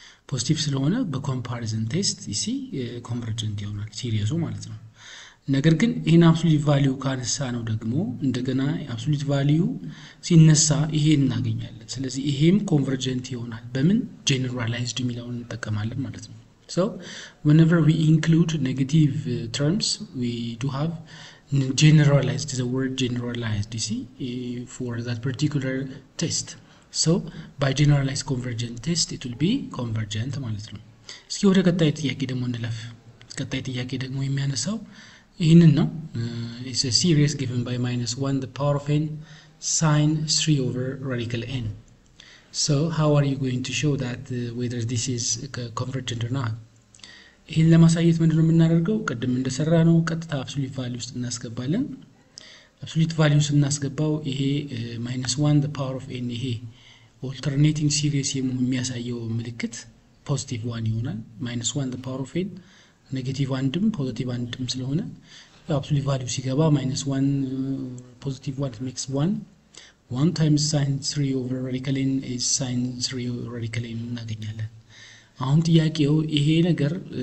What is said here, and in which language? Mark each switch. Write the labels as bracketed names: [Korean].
[Amharic] ፖዚቲቭ ስለሆነ በኮምፓሪዝን ቴስት ይሲ ኮንቨርጀንት ይሆናል ሲሪየሱ ማለት ነው። ነገር ግን ይህን አብሶሉት ቫሊዩ ካነሳ ነው ደግሞ እንደገና አብሶሉት ቫሊዩ ሲነሳ ይሄ እናገኛለን። ስለዚህ ይሄም ኮንቨርጀንት ይሆናል በምን ጄኔራላይዝድ የሚለውን እንጠቀማለን ማለት ነው። [English] So whenever we include negative terms, we do have generalized, the word generalized, you see, for that particular test. So by generalized convergent test, it will be convergent. [Amharic] እስኪ ወደ ቀጣይ ጥያቄ ደግሞ እንለፍ። ቀጣይ ጥያቄ ደግሞ የሚያነሳው ይህንን ነው። [English] It's a series given by minus 1 the power of n sine 3 over radical n. So how are you going to show that whether this is convergent or not? [Amharic] ይህን ለማሳየት ምንድን ነው የምናደርገው? ቅድም እንደሰራ ነው፣ ቀጥታ አብሶሉት ቫሊዩ ውስጥ እናስገባለን። አብሶሉት ቫሊዩ ውስጥ እናስገባው ይሄ ማይነስ ዋን ፓወር ኦፍ ኤን ይሄ [English] alternating series [Amharic] የሚያሳየው ምልክት [English] positive 1 ይሆናል minus 1 the power of n negative 1 ድም positive 1 ድም [Amharic] ስለሆነ [English] absolute value [Amharic] ሲገባ [English] minus 1 positive 1 makes 1 1 times sin 3 over radical n is sin 3 over radical n [Amharic] እናገኛለን። አሁን ጥያቄው ይሄ ነገር